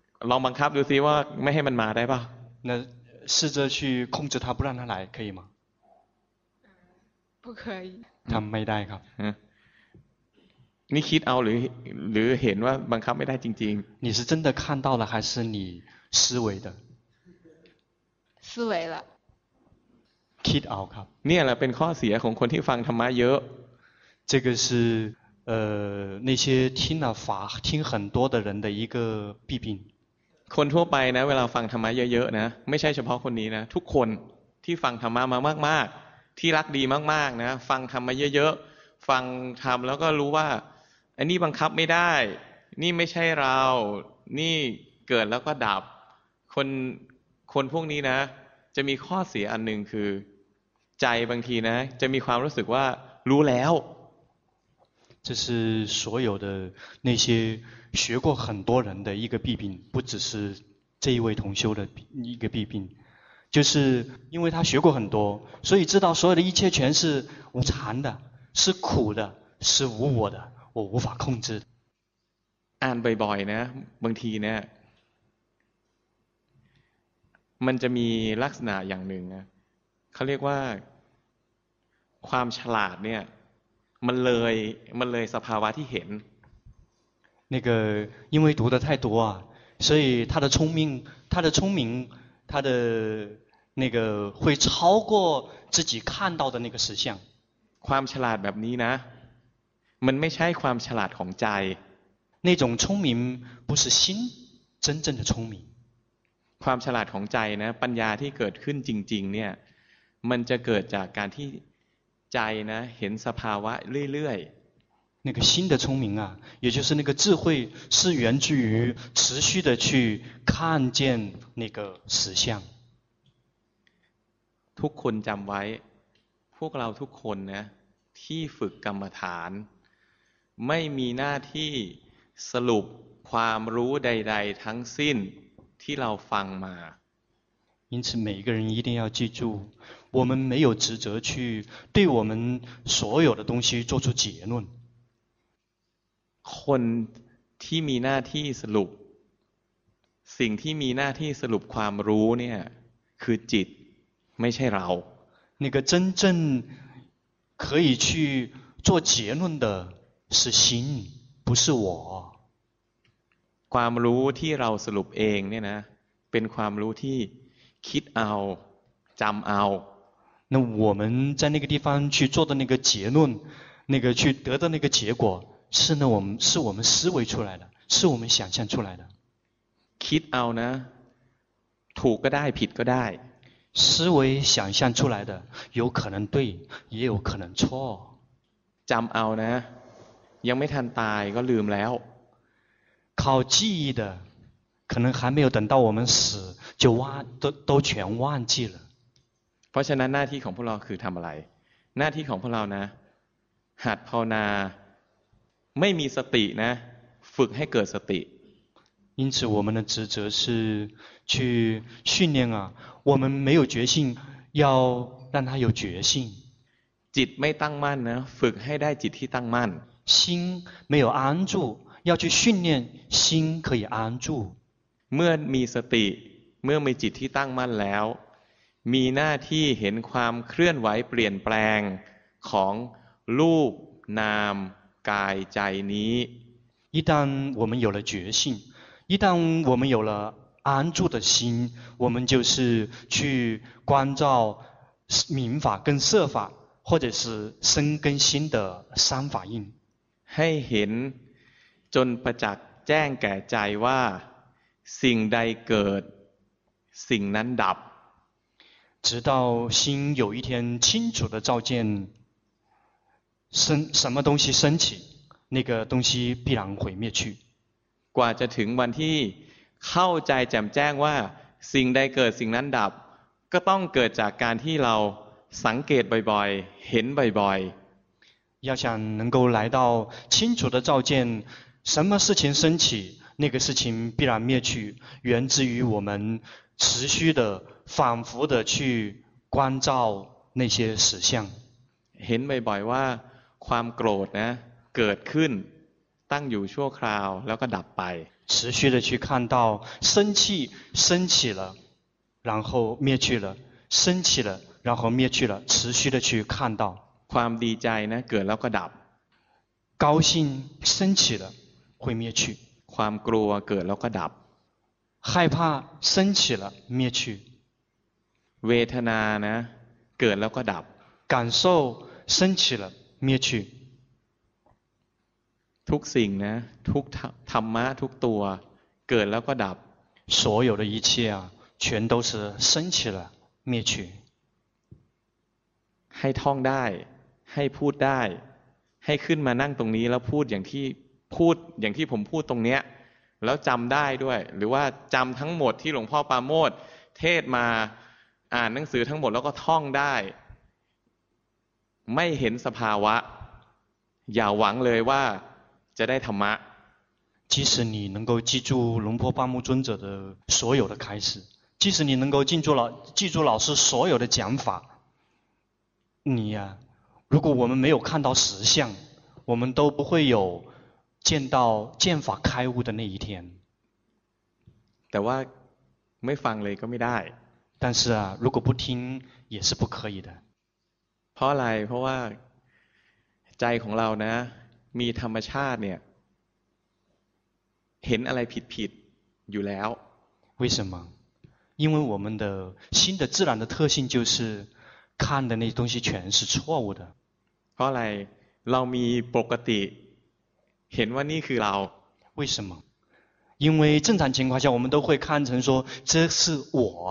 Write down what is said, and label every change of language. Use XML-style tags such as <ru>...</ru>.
<th>ลองบังคับดูซิว่าไม่ให้มันมาได้ป่ะ</th> <zh>那试着去控制它不让它来可以吗不可以</zh> <th>ทำไม่ได้ครับ นี่คิดเอาหรือเห็นว่าบังคับไม่ได้จริง</th> <zh>ๆ你是真的看到了还是你思维的思维了</zh> <th>คิดเอาครับ เนี่ยแหละเป็นข้อเสียของคนที่ฟังธรรมะเยอะ</th> <zh>这个是那些听了法听很多的人的一个弊病</zh> <th>คนทั่วไปนะเวลาฟังธรรมะเยอะๆนะไม่ใช่เฉพาะคนนี้นะทุกคนที่ฟังธรรมะมามากๆที่รักดีมากๆนะฟังธรรมะเยอะๆฟังธรรมแล้วก็รู้ว่าอันนี้บังคับไม่ได้นี่ไม่ใช่เรานี่เกิดแล้วก็ดับคนพวกนี้นะจะมีข้อเสียอันนึงคือใจบางทีนะจะมีความรู้สึกว่ารู้แล้ว</th> <zh>这是所有的那些学过很多人的一个弊病不只是这一位同修的一个弊病就是因为他学过很多所以知道所有的一切全是无常的是苦的是无我的我无法控制</zh> <th>按บ่อยๆนะบางทีเนี่ยมันจะมีลักษณะอย่างหนึ่งนะเขาเรียกว่าความฉลาดเนี่ยมันเลยสภาวะที่เห็น</th> <zh>那个因为读的太多啊所以他的聪明他的那个会超过自己看到的那个实相</zh> <th>ความฉลาดแบบนี้นะมันไม่ใช่ความฉลาดของใจ</th> <zh>那种聪明不是心真正的聪明</zh> <th>ความฉลาดของใจนะปัญญาที่เกิดขึ้นจริงๆเนี่ยมันจะเกิดจากการที่ใจนะเห็นสภาวะเรื่อยๆ</th> <zh>那个心的聪明啊也就是那个智慧是源自于持续的去看见那个实相</zh> <th>ทุกคนจำไว้พวกเราทุกคนนะที่ฝึกกรรมฐานไม่มีหน้าที่สรุปความรู้ใดๆทั้งสิ้นที่เราฟังมา</th> <zh>因此每个人一定要记住我们没有职责去对我们所有的东西做出结论</zh> <th>คนที่มีหน้าที่สรุปสิ่งที่มีหน้าที่สรุปความรู้เนี่ยคือจิตไม่ใช่เรา</th> <zh>那个真正可以去做结论的是心不是我</zh> <th>ความรู้ที่เราสรุปเองเนี่ยนะเป็นความรู้ที่คิดเอาจำเอา</th> <zh>那我们在那个地方去做的那个结论那个去得到那个结果是呢我们是我们思维出来的是我们想象出来的</zh> <th>คิดเอานะถูกก็ได้ผิดก็ได้</th> <zh>思维想象出来的有可能对也有可能错</zh> <th>จำเอานะยังไม่ทันตายก็ลืมแล้ว</th> <zh>靠记忆的可能还没有等到我们死就忘 都全忘记了</zh> <th>เพราะฉะนั้นหน้าที่ของพวกเราคือทำอะไรหน้าที่ของพวกเรานะหัดภาวนาไม่มีสตินะฝึกให้เกิดสติ</th> <zh>因此我们的职责是去训练啊我们没有决心要让它有决心</zh> <th>จิตไม่ตั้งมั่นนะฝึกให้ได้จิตที่ตั้งมั่น</th> <zh>心没有安住要去训练心可以安住</zh> <th>เมื่อมีสติเมื่อมีจิตที่ตั้งมั่นแล้วมีหน้าที่เห็นความเคลื่อนไหวเปลี่ยนแปลงของรูปนามกายใจนี้</th> <zh>一旦我们有了决心一旦我们有了安住的心我们就是去关照明法跟色法或者是身跟心的三法印</zh> <th>ให้เห็นจนประจักษ์แจ้งแก่ใจว่าสิ่งใดเกิดสิ่งนั้นดับ</th> <zh>直到心有一天清楚的照见什么东西升起那个东西必然毁灭去</zh> <th>กว่าจะถึงวันที่เข้าใจแจ่มแจ้งว่าสิ่งใดเกิดสิ่งนั้นดับก็ต้องเกิดจากการที่เราสังเกตบ่อยๆเห็นบ่อย</th> <zh>ๆ要想能够来到清楚的照见什么事情升起那个事情必然灭去源自于我们持续的反复的去关照那些实相</zh> <th>เห็นบ่อยๆว่าความโกรธนะเกิดขึ้นตั้งอยู่ชั่วคราวแล้วก็ดับไป</th> <zh>持续的去看到生气升起了然后灭去了升起了然后灭去了持续的去看到</zh> <th>ความดีใจนะเกิดแล้วก็ดับ</th> <zh>高兴升起了会灭去</zh> <th>ความกลัวเกิดแล้วก็ดับ</th> <zh>害怕升起了灭去</zh> <th>เวทนานะเกิดแล้วก็ดับ</th> <zh>感受升起了灭去</zh> <th>ทุกสิ่งนะทุกธรรมะทุกตัวเกิดแล้วก็ดับ</th> <zh>所有的一切啊全都是升起了灭去</zh> <th>ให้ท่องได้ให้พูดได้ให้ขึ้นมานั่งตรงนี้แล้วพูดอย่างที่ผมพูดตรงเนี้ยแล้วจำได้ด้วยหรือว่าจำทั้งหมดที่หลวงพ่อปาโมทย์เทศมาอ่านหนังสือทั้งหมดแล้วก็ท่องได้ไม่เห็นสภาวะอย่าหวังเลยว่าจะได้ธรรมะ</th> <zh>即使你能够记住龙婆巴木尊者的所有的开始即使你能够记住老师所有的讲法你呀、啊、如果我们没有看到实相我们都不会有见到见法开悟的那一天</zh> <th>แต่ว่าไม่ฟังเลยก็ไม่ได้</th> <zh>但是啊如果不听也是不可以的</zh> <th>เพราะอะไรเพราะว่าใจของเรานะมีธรรมชาติเนี่ยเห็นอะไรผิดๆอยู่แล้ว</th> <zh>为什么因为我们的心的自然的特性就是看的那东西全是错误的</zh> <th>เพราะอะไรเรามีปกติเห็นว่านี่คือเรา</th> <zh>为什么因为正常情况下我们都会看成说这是我</zh>